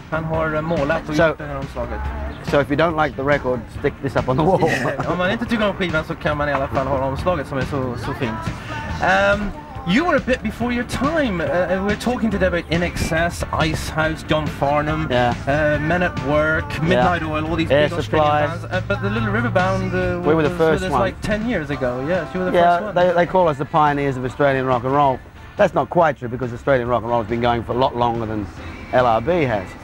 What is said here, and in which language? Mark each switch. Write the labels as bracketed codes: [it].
[sv] Han har målat och gjort den här omslaget. [en] So if you don't like the record, stick this up on the wall. [sv] Om man inte tycker om skivan så kan man I alla fall ha omslaget som är så fint. [en] You were a bit before your time. We're talking today about INXS, Ice House, John Farnham, Men at Work, Midnight Oil, all these Air big Australian bands. But the Little River Band were the first one. Like 10 years ago. Yes, you were the first one. Yeah, they call us the pioneers of Australian rock and roll. That's not quite true because Australian rock and roll has been going for a lot longer than LRB has.